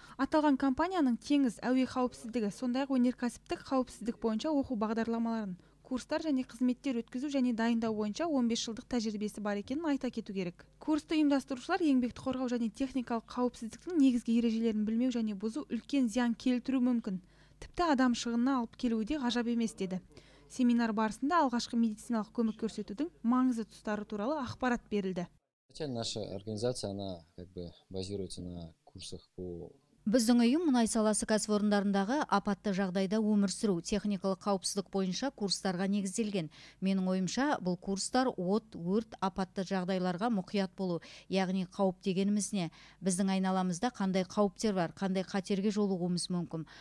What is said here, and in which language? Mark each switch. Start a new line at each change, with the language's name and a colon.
Kazakh: Аталған компанияның теңіз, әуе қауіпсіздігі, сондай-ақ өнеркәсіптік қауіпсіздік бойынша оқу бағдарламаларын, курстар және қызметтер өткізу және дайындау бойынша 15 жылдық тәжірибесі бар екенін айта кету керек. Курсты ұйымдастырушылар еңбекті қорғау және техникалық қауіпсіздіктің негізгі ережелерін білмеу және бұзу үлкен зиян келтіру мүмкін. Тіпті адам шығынына алып келуі де ғажап емес деді. Семинар барысында алғашқы медициналық көмек көрсетудің маңызды тұстары туралы ақпарат берілді.
Russian: Наша организация, она как бы базируется на курсах по...
Kazakh: Біздің ұйым мұнай саласы кәсіпорындарындағы апатты жағдайда өмір сүру техникалық қауіпсіздік бойынша курстарға негізделген. Менің ойымша, бұл курстар от, өрт, апатты жағдайларға мұқият болу, яғни қауіп дегеніміз не? Біздің айналамызда қандай қауіптер бар, қандай қатерге жолығуымыз мүмкін.